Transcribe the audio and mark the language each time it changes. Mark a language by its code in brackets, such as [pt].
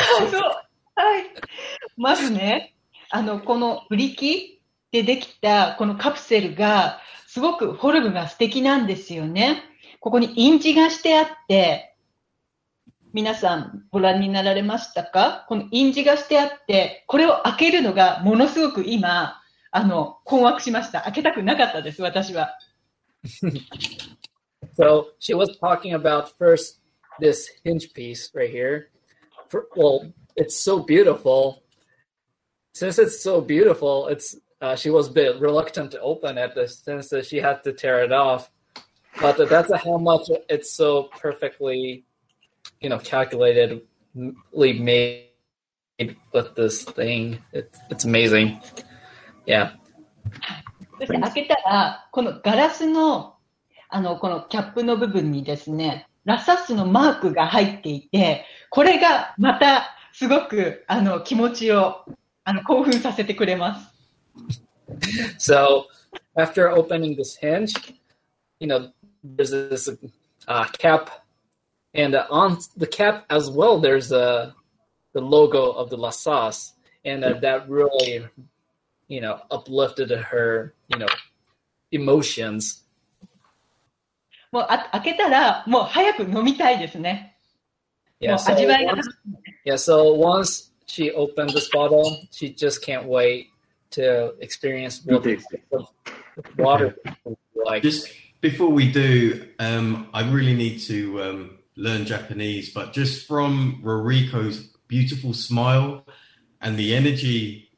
[ja] そう、はい、まずね、このブリキでできたこのカプセルがすごくフォルムが素敵なんですよね。ここに印字がしてあって、皆さんご覧になられましたか？この印字がしてあって、これを開けるのがものすごく今困惑しました。開けたくなかったです、私は。 [en] So she was talking about first this hinge piece right here. Well, it's so beautiful. Since it's so beautiful, she was a bit reluctant to open it, since she had to tear it off. But that's how much it's so perfectly, calculatedly made with this thing. It's amazing. Yeah. [ja] そして開けたら、このガラスの、このキャップの部分にですね、ラサスのマークが入っていて、これがまたすごく気持ちを興奮させてくれます。 [en] So, after opening this hinge, there's this cap, and on the cap as well, there's the logo of the ラサス, and that really... uplifted her, emotions. [ja] もう開けたらもう早く飲みたいですね。 [en] Yeah, [ja] 味わいが。 [en] So once she opened this bottle, she just can't wait to experience what the water like. Just before we do, I really need to learn Japanese, but just from Ruriko's beautiful smile and the energy...